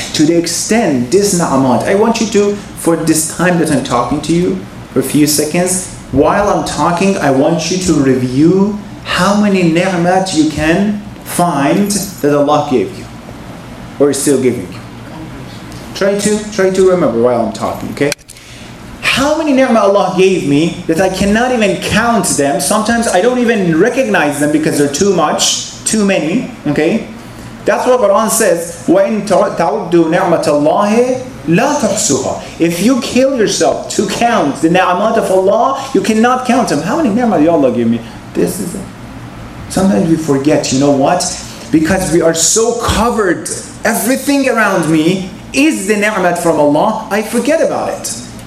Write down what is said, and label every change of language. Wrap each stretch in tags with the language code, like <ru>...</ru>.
<en>To the extent this na'amat, I want you to, for this time that I'm talking to you, for a few seconds, while I'm talking, I want you to review how many ni'mat you can find that Allah gave you, or is still giving you. Try to remember while I'm talking, okay? How many ni'mat Allah gave me that I cannot even count them? Sometimes I don't even recognize them because they're too much, too many, okay? That's what Quran says,</en> <ar>وَإِن تَعُدُّوا نِعْمَةَ اللَّهِ لَا تَحْسُوهَا.</ar> <en>If you kill yourself to count the ni'mat of Allah, you cannot count them. How many ni'mat did Allah give me? This is it. Sometimes we forget, you know what? Because we are so covered, everything around me is the ni'mat from Allah, I forget about it.</en>